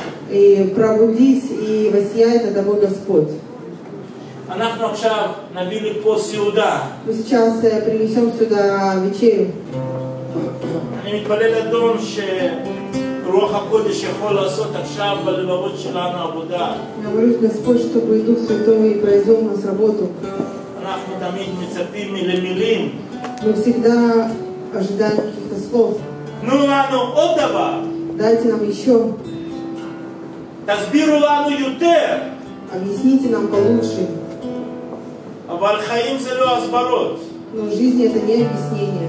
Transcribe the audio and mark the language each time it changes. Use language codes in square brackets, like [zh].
[ru] И «Пробудись и воссияй на того Господь». [he] אנחנו עכשיו נביא לי פה סעודה. [ru] Мы сейчас принесем сюда вечерю. [he] אני מתפלל לאדון שרוח הקודש יכול לעשות עכשיו בלבבות שלנו עבודה. [ru] Я молюсь Господь, чтобы Дух Святой произвел нас работу. [he] אנחנו תמיד מצפים למילים. [ru] Мы всегда ожидаем каких-то слов. Ну ладно, [he] עוד דבר. [ru] Дайте нам еще. [he] תסבירו לנו יותר. [ru] Объясните нам получше. Но жизнь это не объяснение.